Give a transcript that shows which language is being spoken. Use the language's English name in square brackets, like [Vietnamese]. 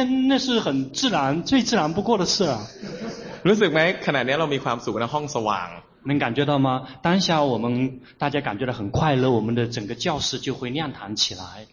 [Chinese] 那是很自然最自然不过的事了 [Thai] รู้สึกไหมขณะนี้เรามีความสุขในห้องสว่าง [Chinese] 能感觉到吗当下我们大家感觉到很快乐我们的整个教室就会亮堂起来